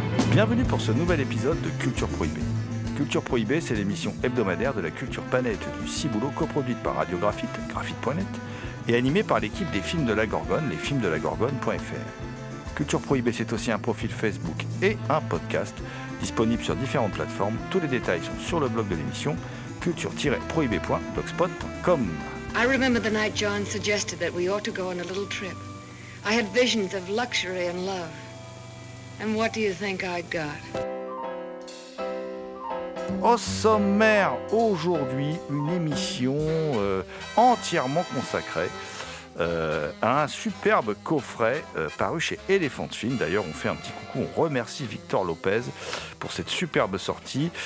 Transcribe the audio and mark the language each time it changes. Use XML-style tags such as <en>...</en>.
<fr>Bienvenue pour ce nouvel épisode de Culture Prohibée. Culture Prohibée, c'est l'émission hebdomadaire de la culture panette du Ciboulot, coproduite par Radio Graphite, graphite.net, et animée par l'équipe des films de la Gorgone, lesfilmsdelagorgone.fr. Culture Prohibée, c'est aussi un profil Facebook et un podcast disponible sur différentes plateformes. Tous les détails sont sur le blog de l'émission, culture-prohibée.blogspot.com.</fr> <en>I remember the night John suggested that we ought to go on a little trip. I had visions of luxury and love. And what do you think I got?</en> <fr>Au sommaire, aujourd'hui, une émission entièrement consacrée à un superbe coffret paru chez Elephant Film. D'ailleurs, on fait un petit coucou, on remercie Victor Lopez pour cette superbe sortie.</fr>